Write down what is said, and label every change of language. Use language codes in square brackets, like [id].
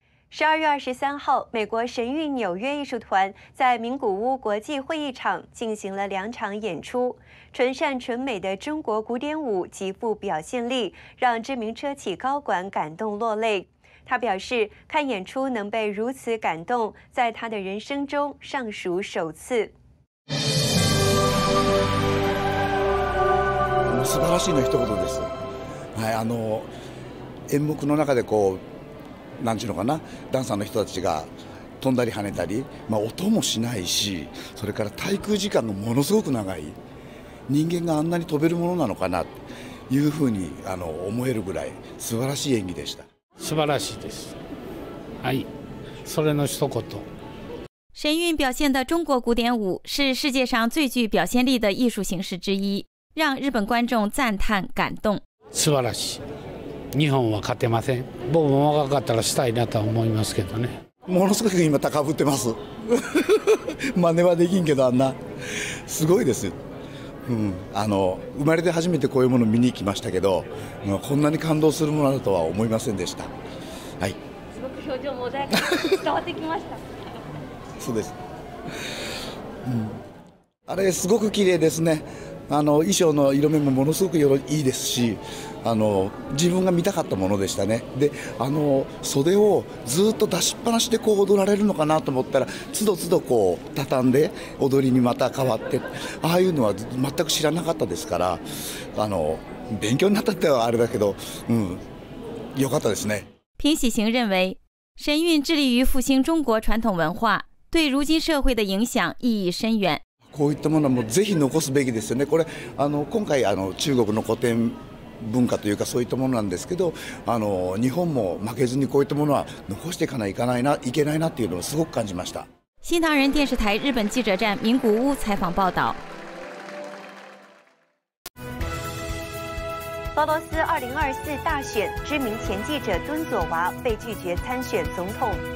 [zh] 12月23号，美国神韵纽约艺术团在名古屋国际会议场进行了两场演出，纯善纯美的中国古典舞极富表现力，让知名车企高管感动落泪。他表示，看演出能被如此感动，在他的人生中尚属首次。 [ja] 素晴らしいの一言です。はい、演目の中でこう、なんていうのかな、ダンサーの人たちが飛んだり跳ねたり、まあ、音もしないし、それから滞空時間がものすごく長い、人間があんなに飛べるものなのかなというふうに思えるぐらい素晴らしい演技でした。素晴らしいです。はい、それの一言。 [zh] 神韵表现的中国古典舞是世界上最具表现力的艺术形式之一，让日本观众赞叹感动。 [ja] 素晴らしい。日本は勝てません。僕も若かったらしたいなと思いますけどね。ものすごく今高ぶってます。真似はできんけど、あんなすごいです。生まれて初めてこういうもの見に行きましたけど、こんなに感動するものだとは思いませんでした。はい。すごく表情も穏やかに伝わってきました。そうです。あれすごく綺麗ですね。衣装の色目もものすごくいいですし、自分が見たかったものでしたね。で、袖をずっと出しっぱなしでこう踊られるのかなと思ったら、つどつどこう畳んで踊りにまた変わって、ああいうのは全く知らなかったですから、勉強になったってはあれだけど、よかったですね。 [zh] 平喜行认为，神韵致力于复兴中国传统文化，对如今社会的影响意义深远。 [ja] こういったものはもうぜひ残すべきですよね。これ今回中国の古典文化というかそういったものなんですけど、あの日本も負けずにこういったものは残していかないかないないけないなっていうのをすごく感じました。 [zh] 新唐人电视台日本记者站名古屋采访报道。俄罗斯2024大选，知名前记者敦佐娃被拒绝参选总统。